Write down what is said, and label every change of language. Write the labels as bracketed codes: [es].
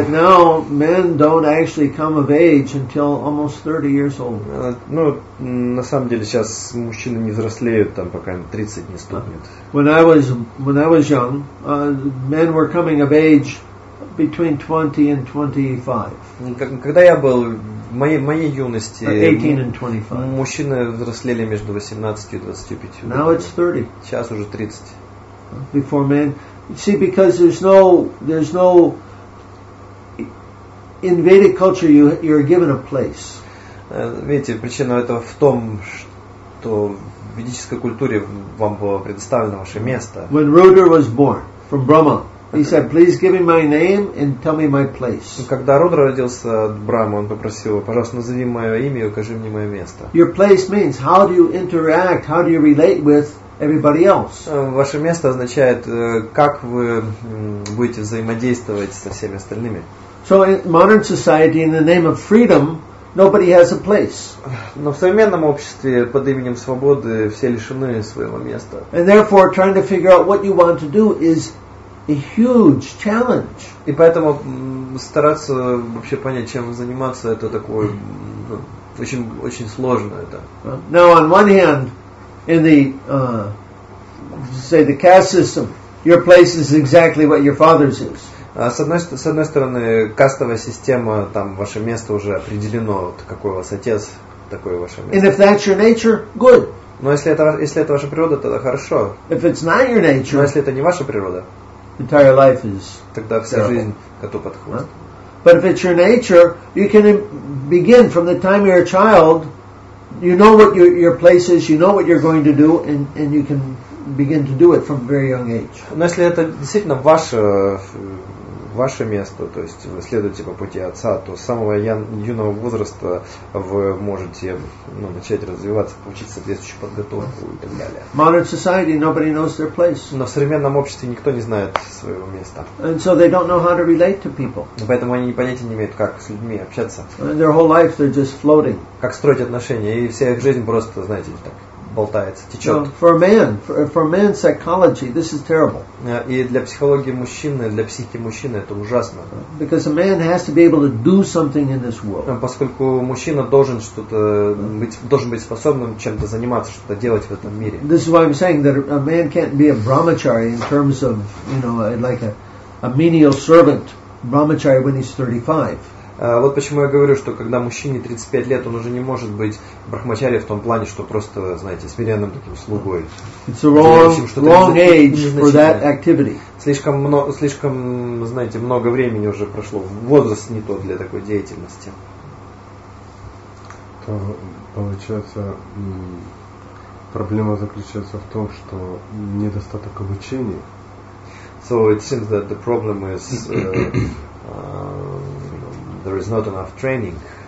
[en] That now men don't actually come of age until almost 30 years old. [ru] Ну, на самом деле сейчас мужчины не взрослеют там, пока им 30 не стукнет. [en] When I was young, men were coming of age between 20 and 25. [ru] Когда я был в моей юности, [en] 18 and 25. [ru] Мужчины взрослели между 18 и 25. [en] Now it's 30. [ru] Сейчас уже 30. [en] Before men. See, because there's no in Vedic culture you're given a place. [ru] Видите, причина этого в том, что в ведической культуре вам было предоставлено ваше место. [en] When Rudra was born from Brahma, he said, "Please give me my name and tell me my place." [ru] Когда Рудра родился от Брамы, он попросил: "Пожалуйста, назови мое имя и укажи мне мое место." [en] Your place means how do you interact, how do you relate with everybody else. [ru] Ваше место означает, как вы будете взаимодействовать со всеми остальными. [en] So in modern society, in the name of freedom, nobody has a place. [ru] Но в современном обществе под именем свободы все лишены своего места. [en] And therefore, trying to figure out what you want to do is a huge challenge. [ru] И поэтому стараться вообще понять, чем заниматься, это такое очень очень сложно это. [en] Now, on one hand, in the say the caste system, your place is exactly what your father's is. [ru] С одной стороны, кастовая система, там ваше место уже определено, какой у вас отец, такое ваше место. [en] And if that's your nature, good. [ru] Но если это ваша природа, тогда хорошо. [en] If it's not your nature, [ru] но если это не ваша природа, [en] entire life is [ru] тогда вся [en] terrible. [ru] Жизнь коту под хвост. [en] But if it's your nature, you can begin from the time you're a child, you know what your place is, you know what you're going to do, and you can begin to do it from a very young age. [ru] Но если это действительно ваше место, то есть вы следуете по пути отца, то с самого юного возраста вы можете начать развиваться, получить соответствующую подготовку и так далее. [en] Modern society, nobody knows their place. [ru] Но в современном обществе никто не знает своего места. [en] And so they don't know how to relate to people. [ru] Поэтому они понятия не имеют, как с людьми общаться. [en] And their whole life they're just floating. [ru] Как строить отношения, и вся их жизнь просто, знаете, так болтается, течет. [en] You know, for a man, psychology, this is terrible. [ru] И для психологии мужчины, для психики мужчины это ужасно. [en] Because a man has to be able to do something in this world. [ru] Поскольку мужчина должен что-то быть, должен быть способным чем-то заниматься, что-то делать в этом мире. [en] This is why I'm saying that a man can't be a brahmachari in terms of, you know, like a menial servant brahmachari when he's 35. [ru] Вот почему я говорю, что когда мужчине 35 лет, он уже не может быть брахмачари в том плане, что просто, знаете, смиренным таким слугой. [en] It's a wrong age for that activity. [ru] Слишком много времени уже прошло. Возраст не тот для такой деятельности. То получается, проблема заключается в том, что недостаток обучения. [en] So it seems that the problem is there is not enough training.